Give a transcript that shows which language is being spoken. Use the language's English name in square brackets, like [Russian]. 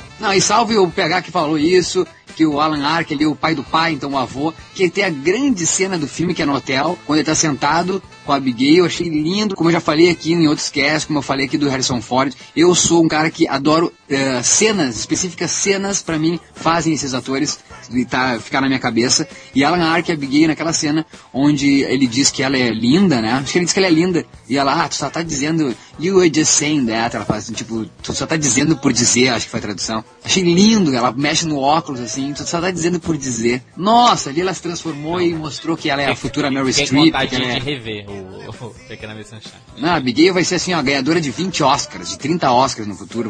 [Portuguese] Não, e salve o PH que falou isso, que o Alan Arkin ali, o pai do pai, então o avô, que tem a grande cena do filme, que é no hotel, quando ele tá sentado com a Abigail. Eu achei lindo, como eu já falei aqui em outros casts, como eu falei aqui do Harrison Ford. Eu sou um cara que adoro cenas, específicas cenas, pra mim, fazem esses atores ficar na minha cabeça. E Alan Arkin e Abigail naquela cena, onde ele diz que ela é linda, né? Acho que ele diz que ela é linda. E ela, tu só tá dizendo, [English] you were just saying that. [Portuguese] Ela fala assim, tipo, tu só tá dizendo por dizer, acho que foi a tradução. Achei lindo, ela mexe no óculos, assim, tu só tá dizendo por dizer. Nossa, ali ela se transformou e mostrou que ela é a futura Meryl Streep. Tem vontade de rever o Pequena Miss Sunshine. Não, Abigail vai ser assim, ó, ganhadora de 20 Oscars, de 30 Oscars no futuro.